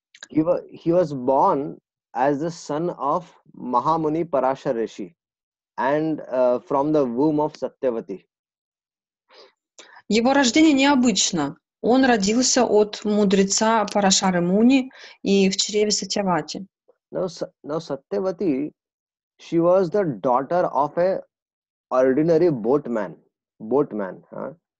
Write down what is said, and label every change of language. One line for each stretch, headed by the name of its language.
English: he was born as the son of Mahamuni Parashar Rishi and from the womb of Satyavati.
Russian: Его рождение необычно. Он родился от мудреца Парашары Муни и в чреве Сатьявати.
English: Now, Satyavati, she was the daughter of an ordinary boatman. Huh?